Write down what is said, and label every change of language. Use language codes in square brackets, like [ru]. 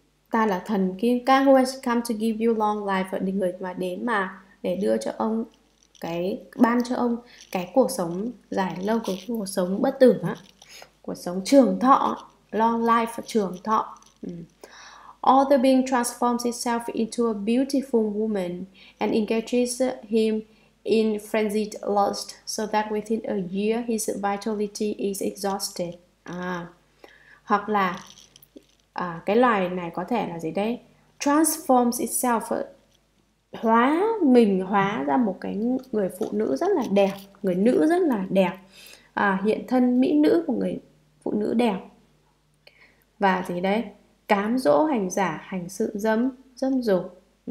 [vi] Ta là thần kim cang [en] who has come to give you long life, [vi] và người mà đến mà để đưa cho ông cái, ban cho ông cái cuộc sống dài lâu, cái cuộc sống bất tử á, cuộc sống trường thọ, [en] long life, [vi] trường thọ. [en] All the being transforms itself into a beautiful woman and engages him in frenzied lust so that within a year his vitality is exhausted. [vi] Hoặc là cái loài này có thể là gì đây? [en] Transforms itself, [vi] hóa mình, hóa ra một cái người phụ nữ rất là đẹp, người nữ rất là đẹp, hiện thân mỹ nữ của người phụ nữ đẹp. Và gì đấy, cám dỗ hành giả hành sự dâm dâm dục.